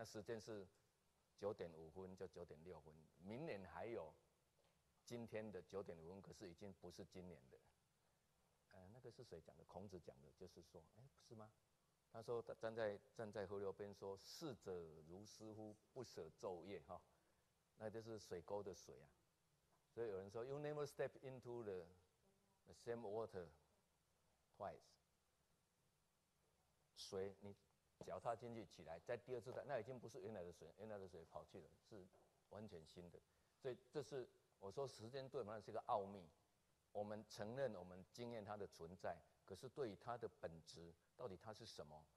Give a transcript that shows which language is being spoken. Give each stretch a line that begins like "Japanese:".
Chinese: 那时间是9:05就9:06，明年还有今天的9:05，可是已经不是今年的。那个是谁讲的？孔子讲的，就是说，不是吗？他说他站在河流边说，逝者如斯乎，不舍昼夜哈，那就是水沟的水啊。所以有人说
English: ，You never step into the same water twice。
Chinese: 水你脚踏进去起来，在第二次的那已经不是原来的水，原来的水跑去了，是完全新的。所以这是我说时间对我们是一个奥秘。我们承认我们经验它的存在，可是对于它的本质。到底它是什么？